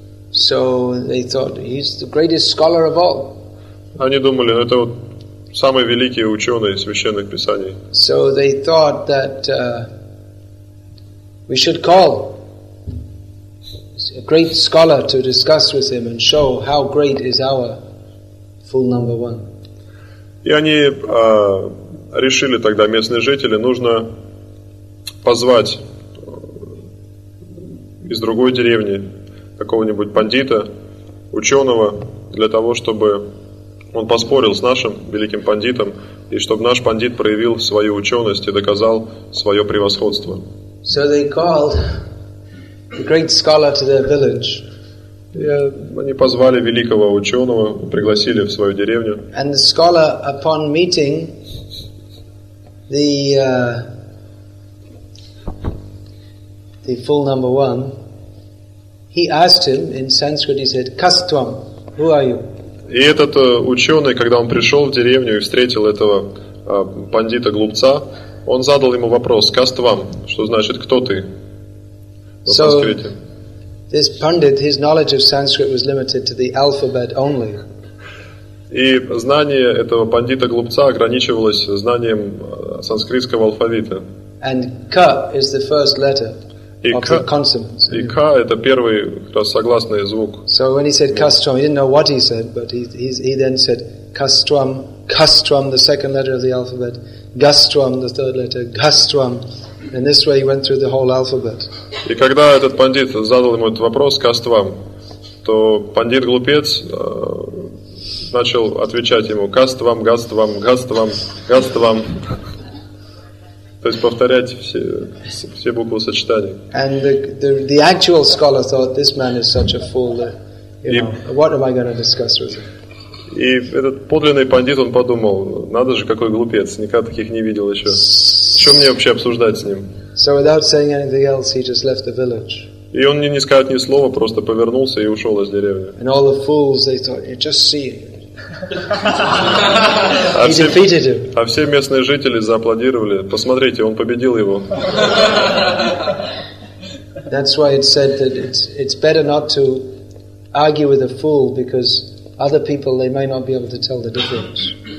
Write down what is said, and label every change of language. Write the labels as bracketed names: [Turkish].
[English] So they thought, he's the greatest scholar of all. [Russian] Они думали, это вот самый великий ученый священных писаний. [English] So they thought that we should call a great scholar to discuss with him and show how great is our fool number one. [Russian] И они решили тогда, местные жители, нужно позвать из другой деревни какого-нибудь пандита, ученого, для того, чтобы он поспорил с нашим великим пандитом, и чтобы наш пандит проявил свою ученость и доказал свое превосходство. [English] So they called the great scholar to their village. [Russian] Они позвали великого ученого, пригласили в свою деревню. [English] And the scholar, upon meeting the fool number one, he asked him in Sanskrit, he said, Kastvam, who are you? [Russian] И этот ученый, когда он пришел в деревню и встретил этого пандита-глупца, он задал ему вопрос, Kastvam, что значит, кто ты? [English] So, this pundit, his knowledge of Sanskrit was limited to the alphabet only. [Russian] И знание этого пандита-глупца ограничивалось знанием санскритского алфавита. [English] And K is the first letter of the consonants. [Russian] И K – это первый согласный звук. [English] So, when he said Kastvam, he didn't know what he said, but he then said Kastvam, Kastvam, the second letter of the alphabet, Gastvam, the third letter, Gastvam. And this way he went through the whole alphabet. [Russian] И когда этот пандит задал ему этот вопрос, Kastvam, то пандит-глупец начал отвечать ему, Kastvam, Gastvam, Gastvam, Gastvam. То есть повторять все буквы сочетания. [English] And the actual scholar thought, this man is such a fool, that, what am I going to discuss with him? [Russian] И этот подлинный пандит, он подумал, надо же, какой глупец, никогда таких не видел еще. Что мне вообще обсуждать с ним? [English] So without saying anything else, he just left the village. [Russian] И он не сказал ни слова, просто повернулся и ушел из деревни. [English] And all the fools, they thought, you just see him. He defeated him. [Russian] А все местные жители зааплодировали, посмотрите, он победил его. [English] That's why it's said that it's better not to argue with a fool, because other people, they may not be able to tell the difference.